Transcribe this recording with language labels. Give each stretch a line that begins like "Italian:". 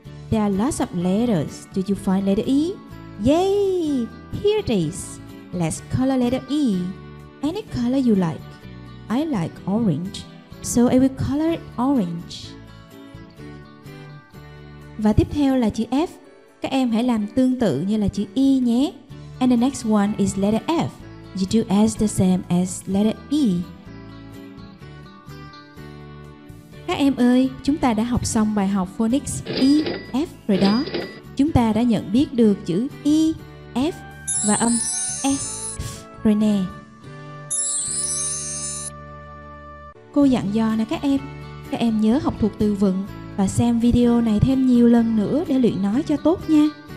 English: There are lots of letters. Did you find letter E? Yay! Here it is. Let's color letter E. Any color you like. I like orange, so I will color it orange.
Vietnamese: Và tiếp theo là chữ F. Các em hãy làm tương tự như là chữ E nhé.
English: And the next one is letter F. You do as the same as letter E.
Vietnamese: Các em ơi, chúng ta đã học xong bài học phonics E, F rồi đó. Chúng ta đã nhận biết được chữ E, F và âm E, F rồi nè. Cô dặn dò nè các em nhớ học thuộc từ vựng và xem video này thêm nhiều lần nữa để luyện nói cho tốt nha.